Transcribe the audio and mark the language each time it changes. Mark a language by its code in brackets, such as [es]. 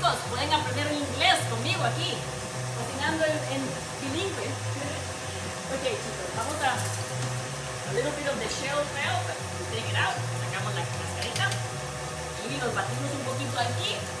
[es] Pueden aprender inglés conmigo aquí, cocinando en bilingüe. [en] Ok, [es] chicos, vamos [en] a little bit of the shell fell, but take it out. [es] Sacamos la cascarita y los batimos un poquito aquí.